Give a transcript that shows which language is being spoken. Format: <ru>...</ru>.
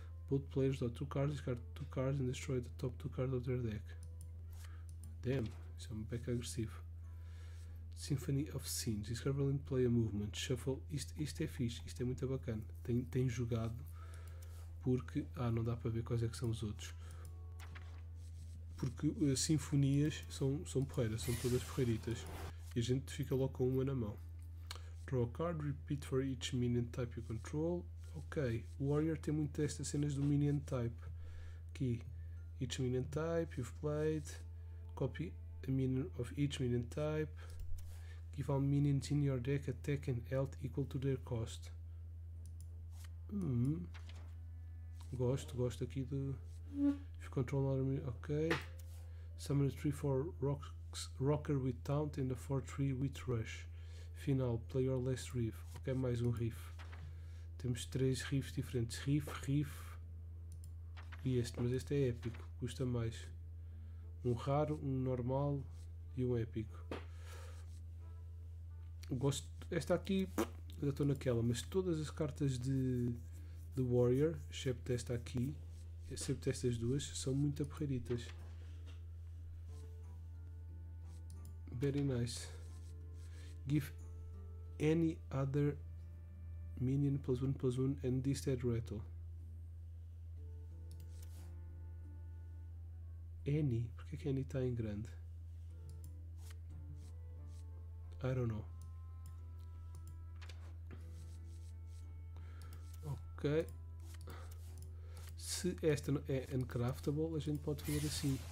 <en>Both players draw 2 cards, discard 2 cards and destroy the top 2 cards of their deck.</en> <pt>Damn, isso é um pack agressivo.</pt> <en>Symphony of Sins, discard and play a movement.</en> <pt>Shuffle, isto é fixe, isto é muito bacana. Tem jogado porque. Ah, não dá para ver quais é que são os outros. Porque as sinfonias são porreiras, são todas porreiritas. E a gente fica logo com uma na mão.</pt> <en>Draw a card, repeat for each minion type you control.</en> <pt>Ok, Warrior tem muito destas cenas do Minion Type.</pt> <en>Aqui, each Minion Type you've played. Copy a Minion of each Minion Type. Give all Minions in your deck attack and health equal to their cost.</en> <pt>Gosto aqui do.</pt> <en>If you control another Minion. Ok. Summon a 3-4 Rocker with Taunt and a 4-3 with Rush. Final, play your last Reef.</en> <pt>Ok, mais um Reef. Temos 3 riffs diferentes, riff e este, mas este é épico, custa mais. Um raro, um normal e um épico. Gosto, esta aqui, já estou naquela, mas todas as cartas de Warrior, excepto esta aqui, excepto estas duas, são muito aperreiritas.</pt> <en>Very nice. Give any other Minion +1/+1 and this dead rattle.</en> <pt>Any, porque é que Any está em grande?</pt> <en>I don't know.</en> <pt>Ok. Se esta é uncraftable, a gente pode fazer assim.</pt>